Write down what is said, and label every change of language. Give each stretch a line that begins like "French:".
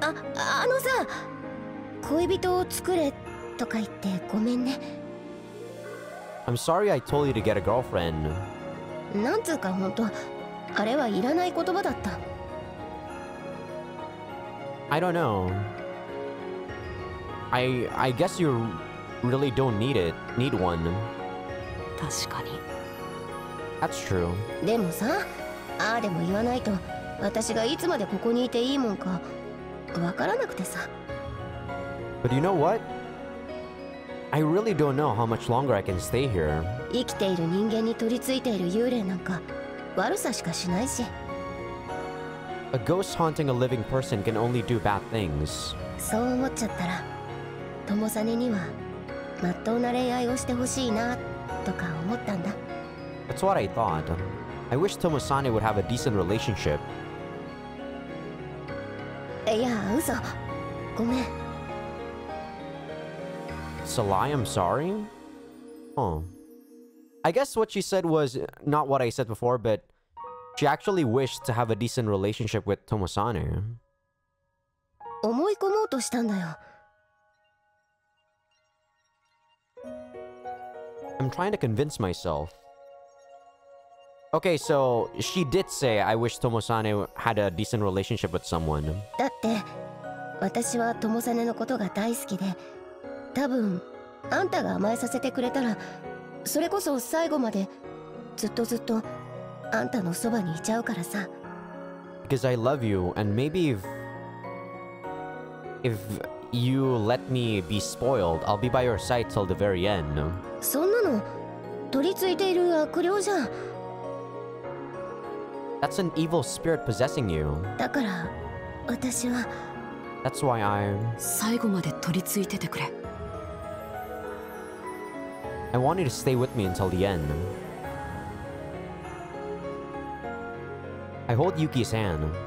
Japanese: あのさ恋人を作れとか言ってごめんね。
English: I'm sorry I told you to get a girlfriend.
Japanese: なんつうか本当、あれはいらない言葉だった。
English: I don't know. I guess you really don't need one.
Japanese: 確かに。
English: That's true.
Japanese: でもさ、ああでも言わないと、私がいつまでここにいていいもんかわからなくてさ。
English: But you know what? I really don't know how much longer I can stay here.
Japanese: 生きている人間に取り付いている幽霊なんか悪さしかしないし。
English: A ghost haunting a living person can only do bad things.
Japanese: そう思っちゃったら、友サネには真っ当な恋愛をしてほしいなとか思ったんだ。
English: That's what I thought. I wish Tomosane would have a decent relationship.
Japanese: いや、嘘。ごめん。
English: It's a lie, I'm sorry? Huh. I guess what she said was not what I said before, but she actually wished to have a decent relationship with Tomosane.
Japanese: 思い込もうとしたんだよ。
English: I'm trying to convince myself. Okay, so she did say I wish Tomosane had a decent relationship with someone.
Japanese: だって、私は Tomosane のことが大好きで、多分あんたが甘えさせてくれたら、それこそ最後までずっとずっとあんたのそばにいちゃうからさ。
English: Because I love you, and maybe if you let me be spoiled, I'll be by your side till the very end.
Japanese: そんなの取り付いている悪霊じゃん。
English: That's an evil spirit possessing you.
Japanese: だから私は。
English: That's why I'm.
Japanese: 最後まで取り付いててくれ。
English: I want you to stay with me until the end. I hold Yuki's hand.